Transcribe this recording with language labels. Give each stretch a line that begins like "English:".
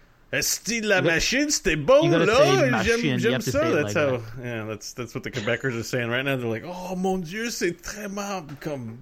French: Esti la machine, c'est bon, là, j'aime ça.
English: That's how, that. Yeah, that's what the Quebecers are saying right now. They're like,
French: oh mon Dieu, c'est très mal, comme